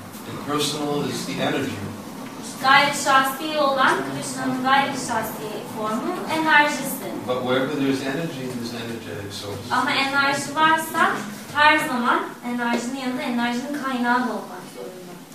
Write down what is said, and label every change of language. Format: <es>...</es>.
<en>Impersonal is the energy.</en> <tr>Gayri şahsi olan Krishna'nın gayri şahsi formu enerjisi.</tr> <en>But wherever there's energy, there's energetic source.</en> <tr>Ama enerji varsa her zaman enerjinin yanında enerjinin kaynağı da olmak zorunda.</tr>